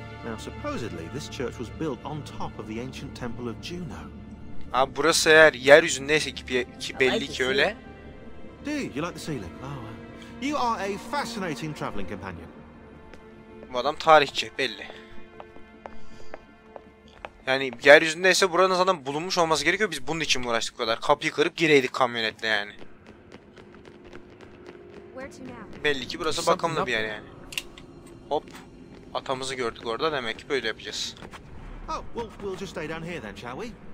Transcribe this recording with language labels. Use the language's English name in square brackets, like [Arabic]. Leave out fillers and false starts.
[English] Now supposedly this church was built on top of the ancient temple of Juno. [Turkish] Abi burası eğer yeryüzündeyse ki belli ki öyle. [English] Do you like the ceiling? Oh, you are a fascinating traveling companion. [Turkish] Bu adam tarihçi belli. Yani yeryüzündeyse buranın zaten bulunmuş olması gerekiyor. Biz bunun için mi uğraştık bu kadar? Kapıyı kırıp gireydik kamyonetle yani. Belli ki burası bakımlı bir yer yani. Hop. atamızı gördük orada, demek ki böyle yapacağız. [English] Oh, we'll just stay down here then, shall we?